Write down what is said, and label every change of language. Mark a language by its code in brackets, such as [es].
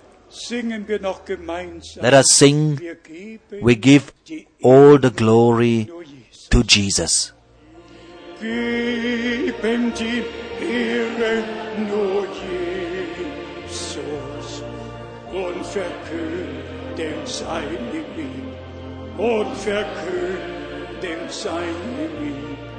[de] Singen wir noch gemeinsam. [en] Let us sing. We give all the glory to Jesus. [de] Geben die Ehre nur Jesus und verkünden seine Liebe. Und verkünden seine Liebe.